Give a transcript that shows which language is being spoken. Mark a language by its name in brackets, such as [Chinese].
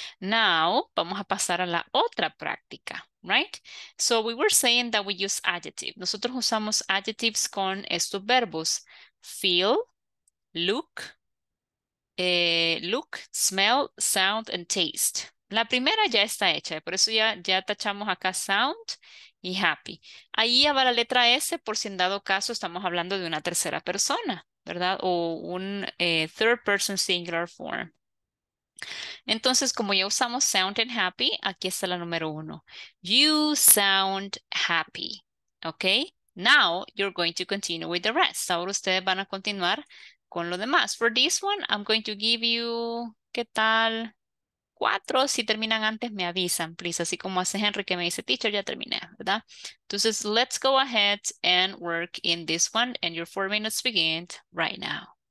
[Spanish] Now, vamos a pasar a la otra práctica. [English] Right? So we were saying that we use adjective. [Spanish] Nosotros usamos adjectives con estos verbos. Feel, look, look, smell, sound, and taste. La primera ya está hecha. Por eso ya tachamos acá sound y happy. Ahí va la letra S, por si en dado caso estamos hablando de una tercera persona. ¿verdad? O un [English] third person singular form. [Spanish] Entonces, como ya usamos sound and happy, aquí está la número uno. [English] You sound happy. Okay? Now, you're going to continue with the rest. [Spanish] Ahora ustedes van a continuar con lo demás. [English] For this one, I'm going to give you, [Spanish] ¿qué tal? 4. Si terminan antes, me avisan, please. Así como hace Henry, que me dice, teacher, ya terminé, ¿verdad? [English] Entonces, let's go ahead and work in this one. And your 4 minutes begin right now.